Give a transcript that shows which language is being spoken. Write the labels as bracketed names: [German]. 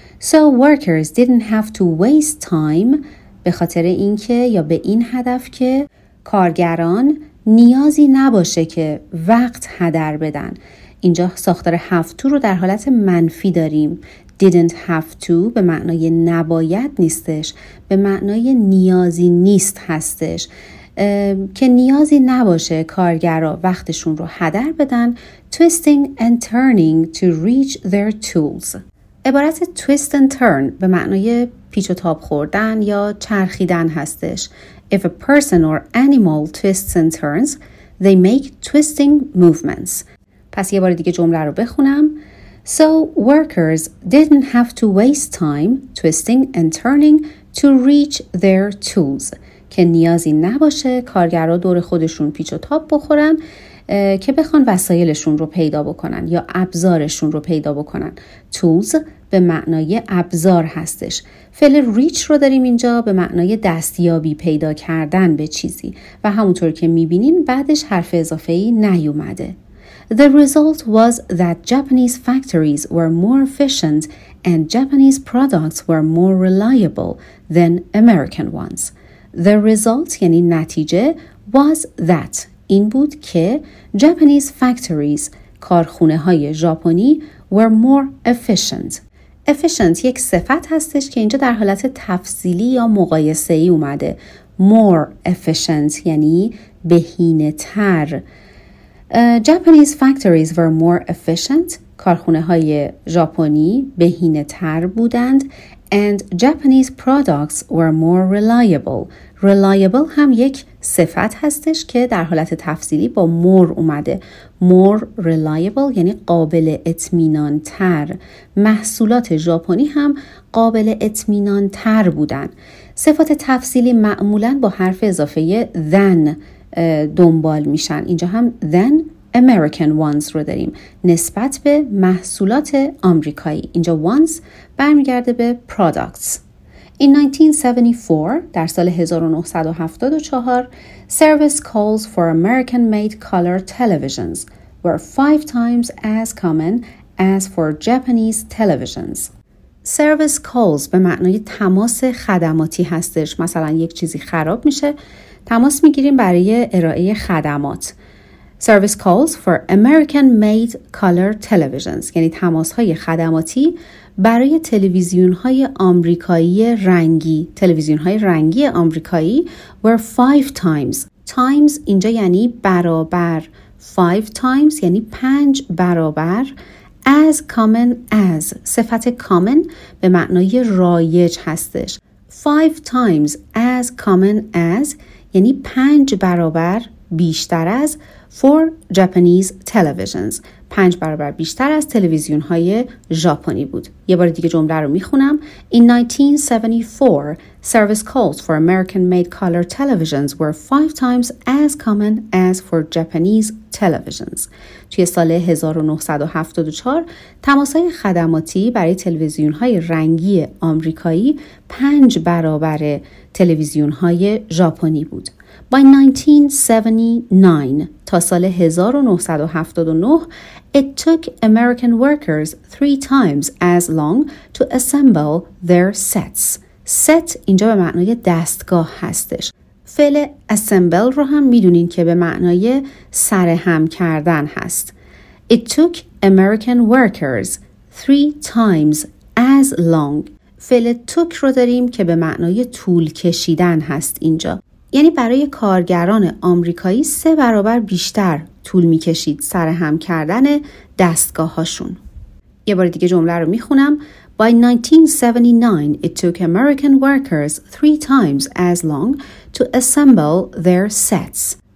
[English] So workers didn't have to waste time [Persian] به خاطر اینکه یا به این هدف که کارگران نیازی نباشه که وقت هدر بدن. اینجا ساختار have to رو در حالت منفی داریم. [English] Didn't have to [Persian] به معنای نباید نیستش. به معنای نیازی نیست هستش. که نیازی نباشه کارگرها وقتشون رو هدر بدن. [English] Twisting and turning to reach their tools. [Persian] عبارت twist and turn به معنای پیچ و تاب خوردن یا چرخیدن هستش. [English] If a person or animal twists and turns, they make twisting movements. [Persian] پس یه بار دیگه جمله رو بخونم. [English] So workers didn't have to waste time twisting and turning to reach their tools. [Persian] که نیازی نباشه کارگرها دور خودشون پیچ و تاب بخورن که بخوان وسایلشون رو پیدا بکنن یا ابزارشون رو پیدا بکنن. Tools به معنای ابزار هستش. فعل reach رو داریم اینجا به معنای دستیابی پیدا کردن به چیزی و همونطور که میبینین بعدش حرف اضافه‌ای نیومده. [English] The result was that Japanese factories were more efficient and Japanese products were more reliable than American ones. The result [Persian] یعنی نتیجه [English] was that [Persian] این بود که [English] Japanese factories [Persian] کارخونه های ژاپنی [English] were more efficient. [Persian] Efficient یک صفت هستش که اینجا در حالت تفضیلی یا مقایسه ای اومده. More efficient یعنی بهینه تر. [English] Japanese factories were more efficient. [Persian] کارخونه های ژاپنی بهینه تر بودند. [English] And Japanese products were more reliable. [Persian] Reliable هم یک صفت هستش که در حالت تفضیلی با more اومده. More reliable یعنی قابل اطمینان تر. محصولات ژاپنی هم قابل اطمینان تر بودن. صفات تفضیلی معمولاً با حرف اضافه than دنبال میشن. اینجا هم [English] than American ones [Persian] رو داریم نسبت به محصولات آمریکایی. اینجا ones برمیگرده به products. [English] In 1974 [Persian] در سال 1974 [English] service calls for American made color televisions were 5 times as common as for Japanese televisions. [Persian] Service calls به معنای تماس خدماتی هستش. مثلا یک چیزی خراب میشه تماس میگیریم برای ارائه خدمات. [English] Service calls for American made color televisions [Persian] یعنی تماس های خدماتی برای تلویزیون های آمریکایی رنگی. تلویزیون های رنگی آمریکایی [English] were 5 times. [Persian] Times اینجا یعنی برابر. 5 times یعنی 5 برابر. [English] As common as [Persian] صفت common به معنای رایج هستش. [English] 5 times as common as [Persian] یعنی 5 برابر بیشتر از [English] for Japanese televisions. [Persian] 5 برابر بیشتر از تلویزیون های ژاپنی بود. یه بار دیگه جمله رو میخونم. [English] In 1974, service calls for American made color televisions were 5 times as common as for Japanese televisions. [Persian] توی سال 1974 تماس های خدماتی برای تلویزیون های رنگی آمریکایی 5 برابر تلویزیون های ژاپنی بود. [English] By 1979, [Persian] تا سال 1979, [English] it took American workers 3 times as long to assemble their sets. [Persian] Set اینجا به معنای دستگاه هستش. فعل assemble رو هم میدونین که به معنای سرهم کردن هست. [English] It took American workers 3 times as long. [Persian] فعل took رو داریم که به معنای طول کشیدن هست اینجا. یعنی برای کارگران آمریکایی 3 برابر بیشتر طول می‌کشید سرهم کردن دستگاه‌هاشون. یه بار دیگه جمله رو می‌خونم. [English] By 1979, it took American workers 3 times as long to assemble their sets.